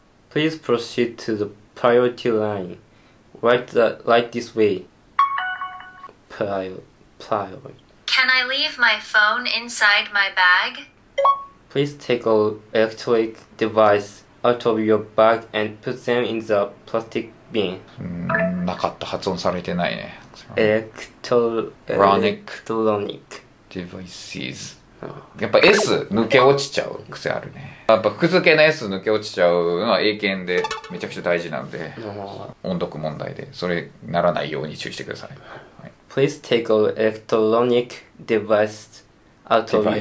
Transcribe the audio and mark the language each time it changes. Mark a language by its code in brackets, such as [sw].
[en] Please proceed to the priority line. Write the like this way. Priority. Can I leave my phone inside my bag? Please take all electric devices out of your bag and put them in the plastic bin. [ja] なかった、発音されてないね。 [en] Electronic. Devices. [ja] やっぱ S 抜け落ちちゃう癖あるね。やっぱ複数形の S 抜け落ちちゃうのは英検でめちゃくちゃ大事なので、音読問題でそれならないように注意してください。はい、 [en] Please take all electronic devices out of your